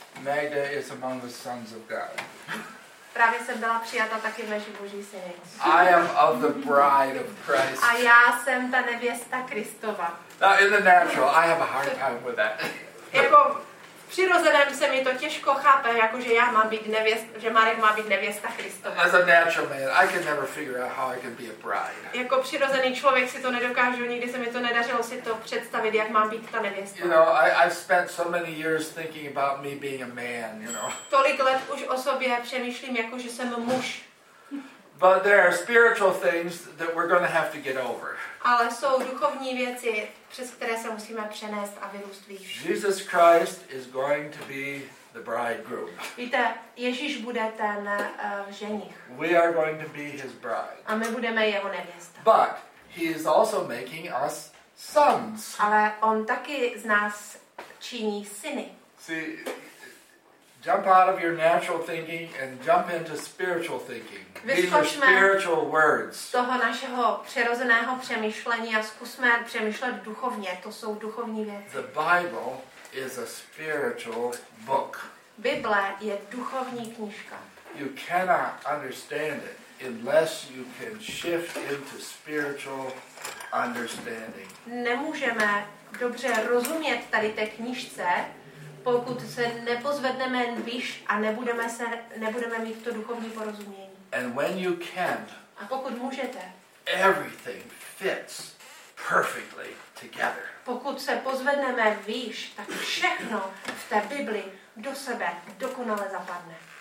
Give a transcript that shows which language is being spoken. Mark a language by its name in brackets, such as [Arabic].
[English] Magda is among the sons of God. [Czech] Právě jsem byla přijata taky mezi Boží syny. [English] I am of the bride of Christ. [Czech] A já jsem ta nevěsta Kristova. [English] Now in the natural, I have a hard time with that. [Czech] Jako přirozeném se mi to těžko chápe, jakože já mám být nevěsta, že Marek má být nevěsta Kristova. [English] As a natural man, I can never figure out how I can be a bride. [Czech] Jako přirozený člověk si to nedokážu, nikdy se mi to nedařilo si to představit, jak mám být ta nevěsta. [English] You know, I've spent so many years thinking about me being a man, you know. [Czech] Tolik let už o sobě přemýšlím, jakože jsem muž. [English] But there are spiritual things that we're going to have to get over. [Czech] Ale jsou duchovní věci, přes které se musíme přenést a vyrůst víc. [English] Jesus Christ is going to be the bridegroom. [Czech] Víte, Ježíš bude ten ženich. [English] We are going to be his bride. [Czech] A my budeme jeho nevěsta. [English] But he is also making us sons. [Czech] Ale on taky z nás činí syny. [English] See, jump out of your natural thinking and jump into spiritual thinking. [Czech] Vyskočme [English] spiritual words. [Czech] Z toho našeho přirozeného přemýšlení a zkusme přemýšlet duchovně. To jsou duchovní věci. [English] The Bible is a spiritual book. [Czech] Bible je duchovní knížka. [English] You cannot understand it unless you can shift into spiritual understanding. [Czech] Nemůžeme dobře rozumět tady té knížce, pokud se nepozvedneme výš a nebudeme mít to duchovní porozumění. [English] And when you can, [Czech] a pokud můžete, [English] everything fits perfectly together. [Czech] Pokud se pozvedneme výš, tak všechno v té Bibli do sebe dokonale zapadne.